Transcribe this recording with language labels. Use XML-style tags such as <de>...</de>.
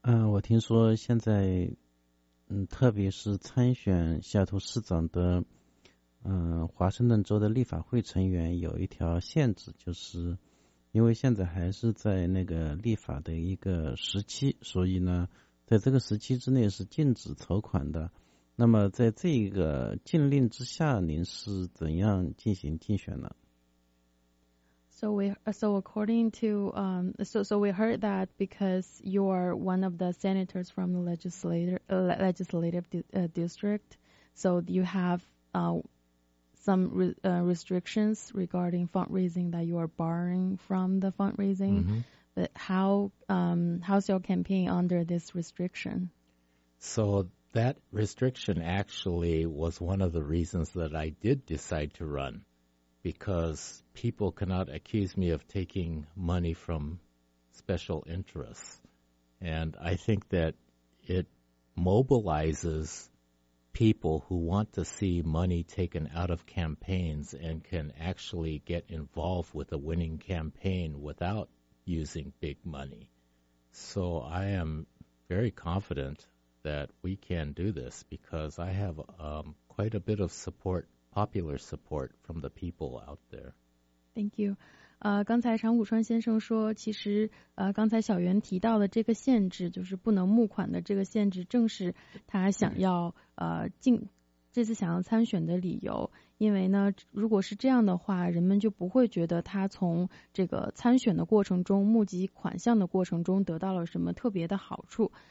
<zh>我听说现在特别是参选西雅图市长的华盛顿州的立法会成员有一条限制，就是因为现在还是在那个立法的一个时期，所以呢在这个时期之内是禁止筹款的。那么在这个禁令之下，您是怎样进行竞选呢？</zh> <en>So we heard that because you are one of the senators from the legislative district, so you have some restrictions regarding fundraising that you are barring from the fundraising. Mm-hmm. But how's your campaign under this restriction? So that restriction actually was one of the reasons that I did decide to run. Because people cannot accuse me of taking money from special interests. And I think that it mobilizes people who want to see money taken out of campaigns and can actually get involved with a winning campaign without using big money. So I am very confident that we can do this because I have quite a bit of support. Popular support from the people out there. Thank you.</en> <zh>刚才长谷川先生说，其实刚才小袁提到的这个限制，就是不能募款的这个限制，正是他想要这次想要参选的理由。因为呢，如果是这样的话，人们就不会觉得他从这个参选的过程中、募集款项的过程中得到了什么特别的好处。</zh>